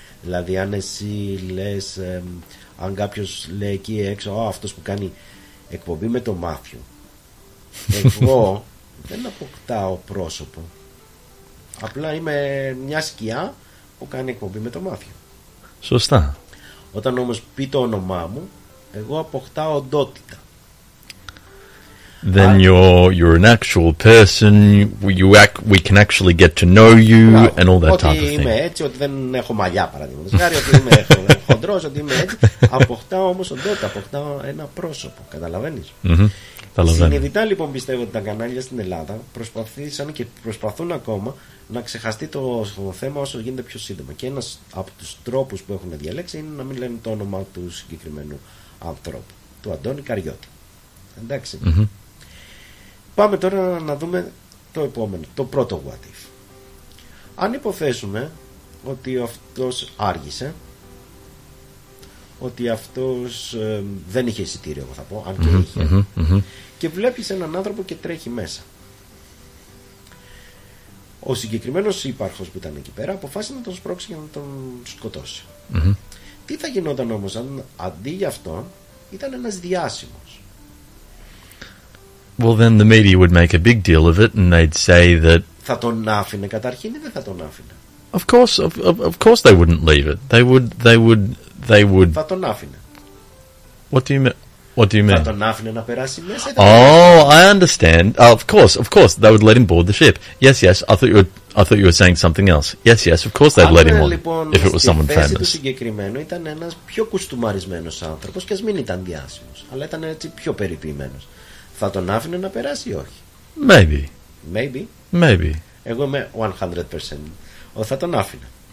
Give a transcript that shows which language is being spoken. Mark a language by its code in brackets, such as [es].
[el] Δηλαδή αν εσύ λες, αν κάποιος λέει εκεί έξω, αυτός που κάνει εκπομπή με το Μάθιο, εγώ δεν αποκτάω πρόσωπο, απλά είμαι μια σκιά που κάνει εκπομπή με το Μάθιο. Σωστά. Όταν όμως πει το όνομά μου, εγώ αποκτάω οντότητα. [en] Then you're an actual person, we can actually get to know you and all that type of thing. [el] Ότι είμαι έτσι, ότι δεν έχω μαλλιά παραδείγματος χάρη, ότι είμαι χοντρός, ότι είμαι έτσι, αποκτά όμως οντότητα, αποκτά ένα πρόσωπο, καταλαβαίνεις. Συνειδητά λοιπόν πιστεύω ότι τα κανάλια στην Ελλάδα προσπαθήσαν και προσπαθούν ακόμα να ξεχαστεί το θέμα όσο γίνεται πιο σύντομα. Και ένας από τους τρόπους που έχουν διαλέξει είναι να μην λένε το όνομα του συγκεκριμένου ανθρώπου, του Αντώνη Καριώτη. Εντάξει. Πάμε τώρα να δούμε το επόμενο, το πρώτο [en] what if. [el] Αν υποθέσουμε ότι αυτός άργησε, ότι αυτός δεν είχε εισιτήριο, εγώ θα πω, αν και είχε, και βλέπεις έναν άνθρωπο και τρέχει μέσα. Ο συγκεκριμένος ύπαρχος που ήταν εκεί πέρα αποφάσισε να τον σπρώξει για να τον σκοτώσει. Τι θα γινόταν όμως αν αντί για αυτόν ήταν ένας διάσημος? [en] Well, then the media would make a big deal of it, and they'd say that. [el] Θα τον άφηνε καταρχήν ή δεν θα τον άφηνε? [en] Of course, they wouldn't leave it. They would. [el] Θα τον άφηνε. [en] What do you mean? [el] Θα τον άφηνε να περάσει μέσα. [en] Oh, I understand. Of course, they would let him board the ship. Yes. I thought you were saying something else. Yes. Of course, they'd let him on. [el] Λοιπόν, [en] if it was someone famous. [el] Στη θέση του συγκεκριμένου ήταν ένας πιο κουστούμαρισμένος άνθρωπος, και ας μην ήταν διάσημος, αλλά ήταν έτσι πιο περιποιημένος. Θα τον άφηνε να περάσει ή όχι? [en] Maybe. [el] Εγώ είμαι 100%. Θα τον άφηνε.